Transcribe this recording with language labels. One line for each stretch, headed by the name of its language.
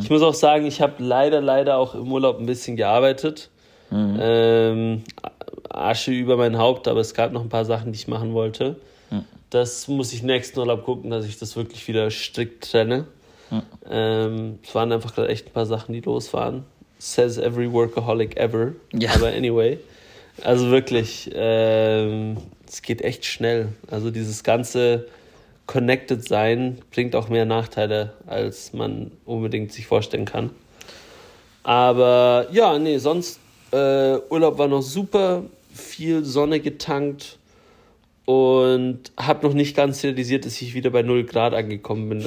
German: Ich muss auch sagen, ich habe leider auch im Urlaub ein bisschen gearbeitet. Mhm. Asche über mein Haupt, aber es gab noch ein paar Sachen, die ich machen wollte. Mhm. Das muss ich nächsten Urlaub gucken, dass ich das wirklich wieder strikt trenne. Mhm. Es waren einfach gerade echt ein paar Sachen, die los waren.
English: Says every workaholic ever.
German: Ja. Aber anyway. Also wirklich, es geht echt schnell. Also dieses ganze Connected-Sein bringt auch mehr Nachteile, als man unbedingt sich vorstellen kann. Aber ja, nee, sonst, Urlaub war noch super, viel Sonne getankt und habe noch nicht ganz realisiert, dass ich wieder bei 0 Grad angekommen bin.